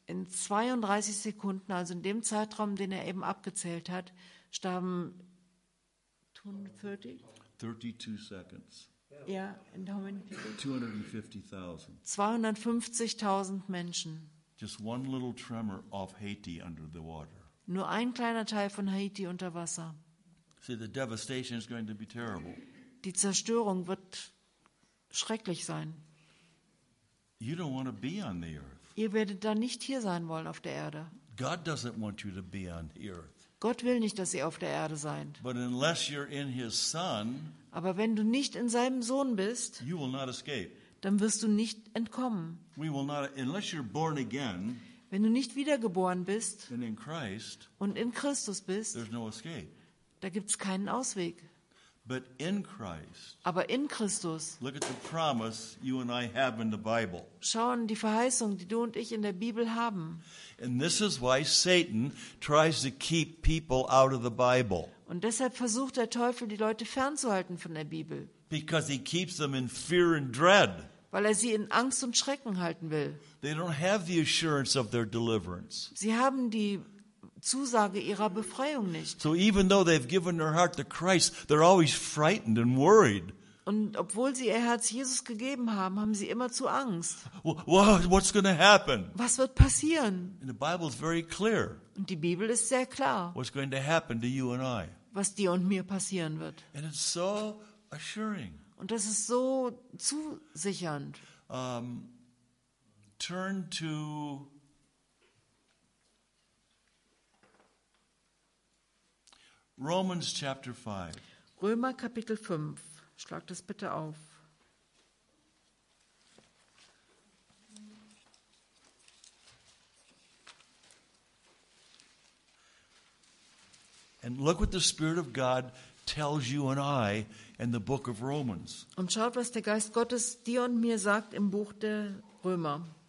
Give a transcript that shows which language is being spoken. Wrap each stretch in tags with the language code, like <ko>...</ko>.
<de>In 32 Sekunden, also in dem Zeitraum, den er eben abgezählt hat, starben</de> <en>32 seconds. Ja, yeah, and how many people? 250,000.</en> <de>250,000 Menschen.</de> <en>Just one little tremor off Haiti under the water.</en> <de>Nur ein kleiner Teil von Haiti unter Wasser.</de> <en>See, the devastation is going to be terrible.</en> <de>Die Zerstörung wird schrecklich sein.</de> <en>You don't want to be on the earth.</en> <de>Ihr werdet da nicht hier sein wollen auf der Erde.</de> <en>God doesn't want you to be on the earth.</en> <de>Gott will nicht, dass ihr auf der Erde seid.</de> <en>But unless you're in his son,</en> <de>aber wenn du nicht in seinem Sohn bist,</de> <en>you will not escape.</en> <de>Dann wirst du nicht entkommen.</de> <en>We will not, unless you're born again,</en> <de>wenn du nicht wiedergeboren bist</de> <en>and in Christ,</en> <de>und in Christus bist,</de> <en>there's no escape.</en> <de>Da gibt es keinen Ausweg.</de> <en>But in Christ,</en> <de>aber in Christus,</de> <en>look at the promise you and I have in the Bible.</en> <de>Schau an die Verheißung, die du und ich in der Bibel haben.</de> <en>And this is why Satan tries to keep people out of the Bible.</en> <de>Und deshalb versucht der Teufel, die Leute fernzuhalten von der Bibel.</de> <en>Because he keeps them in fear and dread.</en> <de>Weil er sie in Angst und Schrecken halten will.</de> <en>They don't have the assurance of their deliverance.</en> <de>Sie haben die Zusage ihrer Befreiung nicht.</de> <en>So even though they've given their heart to Christ, they're always frightened and worried.</en> <de>Und obwohl sie ihr Herz Jesus gegeben haben, haben sie immer zu Angst.</de> <en>What's going to happen?</en> <de>Was wird passieren?</de> <en>And the Bible is very clear.</en> <de>Und die Bibel ist sehr klar.</de> <en>What's going to happen to you and I?</en> <de>Was dir und mir passieren wird.</de> <en>And it's so assuring.</en> <de>Und das ist so zusichernd.</de> <en>Turn to Romans chapter 5.</en> <de>Römer Kapitel 5. Schlag das bitte auf.</de> <en>And look what the Spirit of God tells you and I in the book of Romans.</en> <de>Und schaut, was der Geist Gottes dir und mir sagt im Buch der Römer.</de>